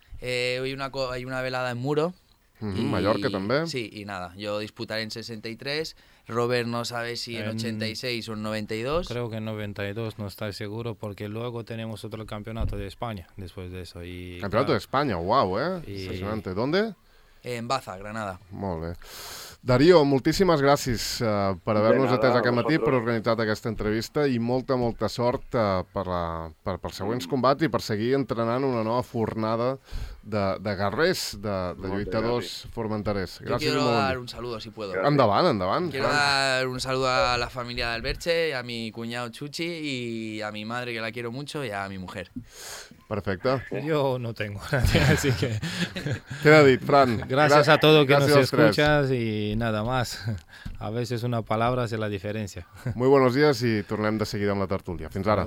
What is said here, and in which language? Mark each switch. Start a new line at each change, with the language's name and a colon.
Spanish: Hay una velada en Muro. Uh-huh, y, Mallorca también. Sí, y nada, yo disputaré en 63, Robert no sabe si en 86 o en 92. Creo que en 92, no estoy seguro, porque luego tenemos otro campeonato de España después de eso. Y, campeonato claro, de España, wow, impresionante. ¿Dónde? En Baza, Granada.
Catalan: Molt bé. Darío, moltíssimes gràcies per haver-nos atès aquest matí, per organitzar aquesta entrevista i molta, molta sort per següents combats i per seguir entrenant una nova fornada de guerrers, de lluitadors formenterers. Gràcies.
Spanish: Yo quiero dar un saludo, si puedo.
Catalan: Endavant.
Spanish: Quiero dar un saludo a la familia del Berche, a mi cuñado Chuchi y a mi madre, que la quiero mucho, y a mi mujer.
Catalan: Perfecte.
Spanish: Jo no tengo nadie, así que...
Catalan: Queda dit, Fran.
Spanish: Gracias a todo que nos escuchas y nada más. A veces una palabra hace la diferencia. Muy buenos días
Catalan: y tornem de seguida amb la tertúlia. Fins ara.